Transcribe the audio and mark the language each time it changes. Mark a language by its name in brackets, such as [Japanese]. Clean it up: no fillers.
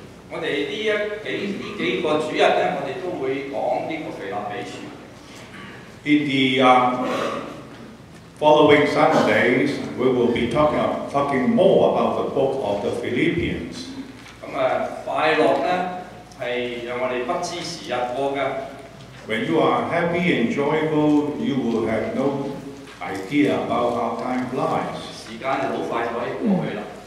[Cantonese] 我哋呢幾個主日咧，我哋都會講呢個腓立比書。 [English] In the following Sundays, we will be talking more about the book of the Philippians. [Cantonese] 咁啊，快樂咧係讓我哋不知時日過嘅。 [English] When you are happy and joyful, you will have no idea about how time flies. [Cantonese] 時間好快就可以過去啦。